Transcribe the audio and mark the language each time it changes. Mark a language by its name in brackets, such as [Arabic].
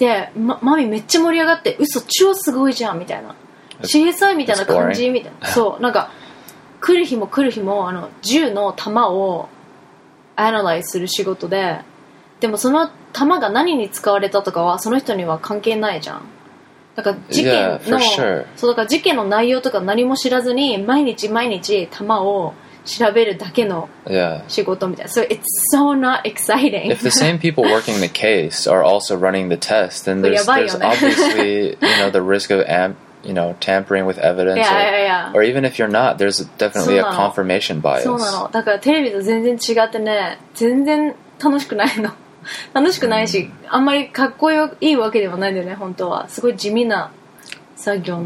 [Japanese] で、マミめっちゃ盛り上がって嘘超すごいじゃんみたいな CSI みたいな感じみたいなそうなんか来る日も来る日もあの銃の弾をアナライズする仕事ででもその弾が何に使われたとかはその人には関係ないじゃんだから事件の [English] yeah, for sure. [Japanese] そうだから事件の内容とか何も知らずに毎日毎日弾を調べるだけの仕事みたいな、 [English] yeah. So it's so not exciting. If the same people working the case are also running the test, then there's obviously you know, the risk of you know, tampering with evidence yeah, yeah, yeah. Or even if you're not, there's definitely a confirmation bias. [Japanese] そうなの。だからテレビと全然違ってね、全然楽しくないの。楽しくないし、あんまりかっこよいいわけでもないんだよね、本当は。すごい地味な作業なの。